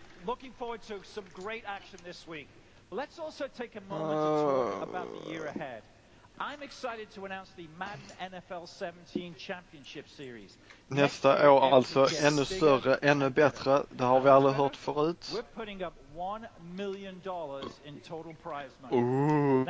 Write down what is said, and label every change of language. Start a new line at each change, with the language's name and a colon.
English: Looking forward to some great action this week. Let's also take a moment to talk about the year ahead. I'm excited to announce the Madden NFL 17 Championship Series.
Swedish: Nästa år, alltså ännu större, ännu bättre. Det har vi aldrig hört förut.
English: We're putting up $1 million in total prize money.